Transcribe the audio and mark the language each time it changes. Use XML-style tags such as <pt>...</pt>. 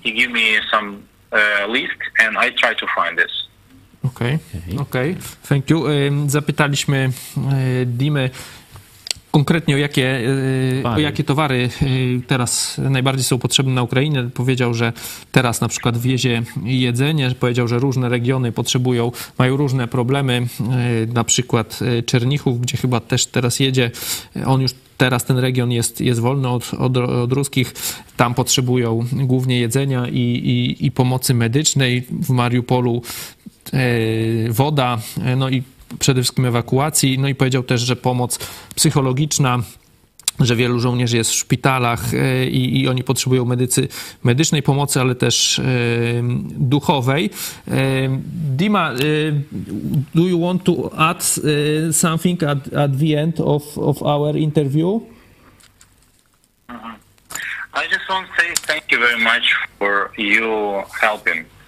<en>You give me some list and I try to find this. Okay. Thank you.</en> <pl>Zapytaliśmy Dimę konkretnie o jakie towary teraz najbardziej są potrzebne na Ukrainie. Powiedział, że teraz na przykład wiezie jedzenie, powiedział, że różne regiony potrzebują, mają różne problemy, na przykład Czernichów, gdzie chyba też teraz jedzie, on już teraz ten region jest wolny od ruskich, tam potrzebują głównie jedzenia i pomocy medycznej, w Mariupolu woda, no i przede wszystkim ewakuacji, no i powiedział też, że pomoc psychologiczna, że wielu żołnierzy jest w szpitalach i oni potrzebują medycznej pomocy, ale też duchowej.</pl> <en>Dima, do you want to add something at the end of our interview? Uh-huh. I just want to say thank you very much for you helping.</en>